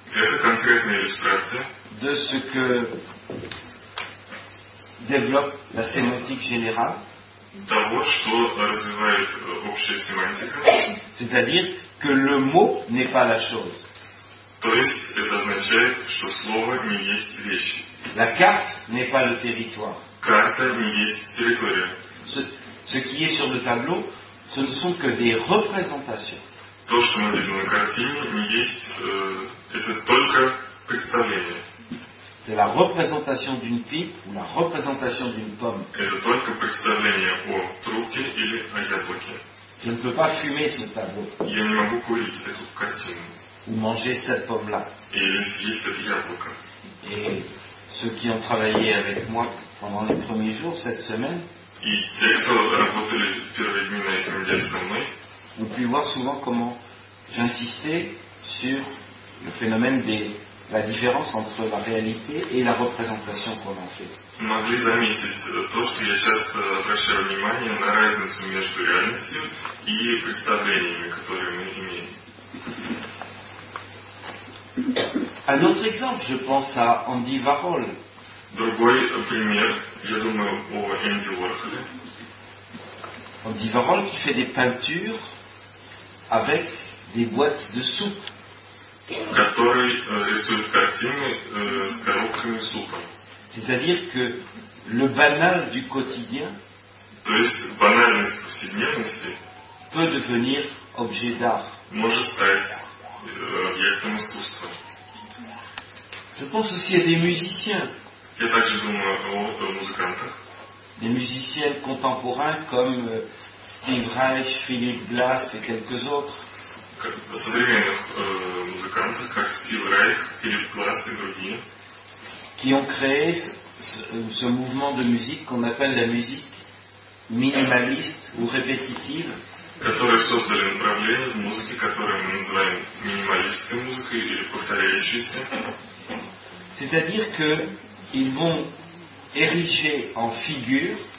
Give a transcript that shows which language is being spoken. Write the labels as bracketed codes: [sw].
[ru] Это конкретная иллюстрация. [fr] De ce que développe la sémantique générale. [ru] Того, что развивает общая семантика. [fr] C'est-à-dire que le mot n'est pas la chose. [ru] То есть это означает, что слово не есть вещь. [fr] La carte n'est pas le territoire. [ru] Карта не есть территория. [fr] Ce qui est sur le tableau, ce ne sont que des représentations. [ru] То, что мы видим на картине, не есть, это только представление. [fr] C'est la représentation d'une pipe ou la représentation d'une pomme. [ru] Это только представление о трубке или о яблоке. [fr] Je ne peux pas fumer ce tableau. [ru] Я не могу курить эту картину. [fr] Ou manger cette pomme-là. [ru] Или съесть это яблоко. [fr] Et ceux qui ont travaillé avec moi pendant les premiers jours cette semaine. [ru] И те, кто работали в первые дни на этой неделе со мной. [fr] On peut voir souvent comment j'insistais sur le phénomène de la différence entre la réalité et la représentation qu'on en fait. Vous [ru] могли заметить то, что я часто обращаю внимание на разницу между реальностью и представлениями, которые мы имеем. [fr] Un autre exemple, je pense à Andy Warhol. [ru] Другой пример, я думаю, о Энди Уорхоле. [fr] Andy Warhol qui fait des peintures avec des boîtes de soupe. [ru] Который рисует картины с коробками супа. [fr] C'est-à-dire que le banal du quotidien. [ru] То есть банальность повседневности. [fr] Peut devenir objet d'art. [ru] Может стать объектом искусства. [fr] Je pense aussi à des musiciens. [ru] Я также думаю о музыкантах. [fr] Des musiciens contemporains comme Steve Reich, Philippe Glass et quelques autres. [ru] Современных музыкантов, как Steve Reich, Philippe Glass и другие. [fr] Qui ont créé ce mouvement de musique qu'on appelle la musique minimaliste ou répétitive. [ru] Которые создали направление в музыке, которое мы называем минималистской музыкой или повторяющейся. [fr] C'est-à-dire que ils vont ériger en figure.